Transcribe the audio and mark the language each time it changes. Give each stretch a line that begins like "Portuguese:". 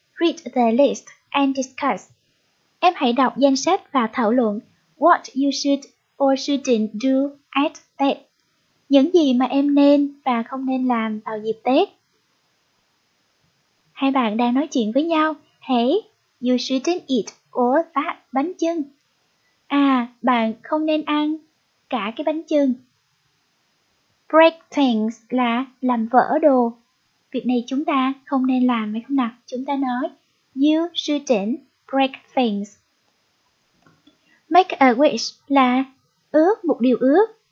English: Read the list and discuss.
Vietnamese: Em hãy đọc danh sách và thảo luận
English: what you should or shouldn't do at Tết.
Vietnamese: Những gì mà em nên và không nên làm vào dịp Tết. Hai bạn đang nói chuyện với nhau.
English: Hey, you shouldn't eat or that bánh chưng.
Vietnamese: À, bạn không nên ăn cả cái bánh chưng.
English: Break things
Vietnamese: là làm vỡ đồ. Việc này chúng ta không nên làm, phải không nào? Chúng ta nói
English: you shouldn't break things. Make a wish
Vietnamese: là ước một điều ước.